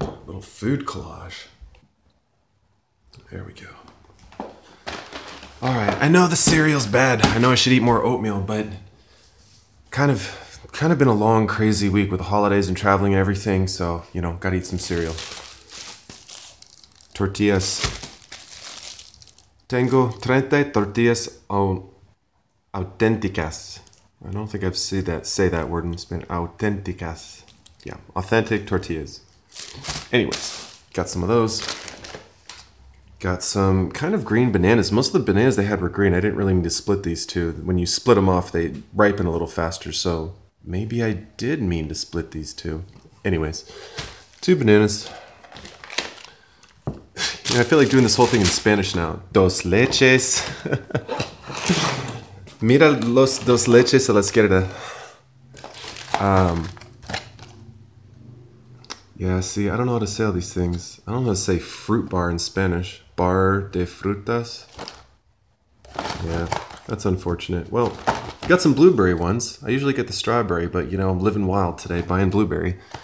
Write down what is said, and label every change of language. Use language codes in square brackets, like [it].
[en] A little food collage. There we go. All right, I know the cereal's bad. I know I should eat more oatmeal, but kind of been a long, crazy week with the holidays and traveling and everything, so gotta eat some cereal. Tortillas. [es] Tengo 30 tortillas auténticas. [en] I don't think I've seen that say that word in Spanish. Auténticas. Yeah, authentic tortillas. Anyways, got some of those. Got some kind of green bananas. Most of the bananas they had were green. I didn't really mean to split these two. When you split them off, they ripen a little faster. So maybe I did mean to split these two. Anyways, two bananas. I feel like doing this whole thing in Spanish now. [es] Dos leches. Mira los dos leches a la izquierda. [en] Yeah, see, I don't know how to say all these things. I don't know how to say fruit bar in Spanish. [es] Bar de frutas. [en] Yeah, that's unfortunate. Well, got some blueberry ones. I usually get the strawberry, but I'm living wild today, buying blueberry.